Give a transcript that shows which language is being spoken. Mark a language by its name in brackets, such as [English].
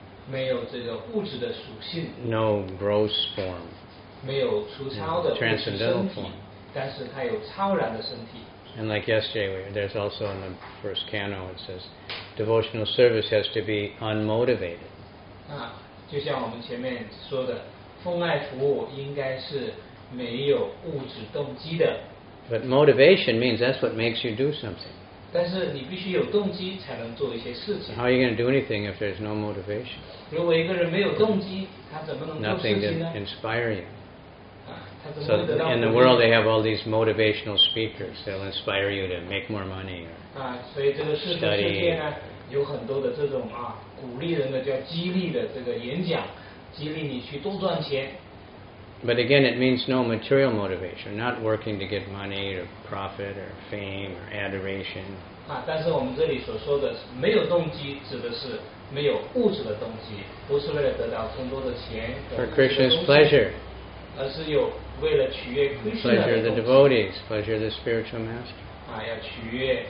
[Chinese] 没有这个物质的属性 [English] no gross form [Chinese] 没有粗糙的 [English] transcendental form [Chinese] 但是它有超然的身体 [English] And like yesterday, there's also in the first canto, it says, devotional service has to be unmotivated. [Chinese] 就像我们前面说的，奉爱服务应该是没有物质动机的。 [English] But motivation means that's what makes you do something. [Chinese] 但是你必须有动机才能做一些事情。 [English] How are you going to do anything if there's no motivation? [Chinese] 如果一个人没有动机，他怎么能做事情呢？ [English] Nothing to inspire you. So in the world they have all these motivational speakers they'll inspire you to make more money or study but again it means no material motivation not working to get money or profit or fame or adoration for Krishna's pleasure pleasure of the devotees, pleasure of the spiritual master.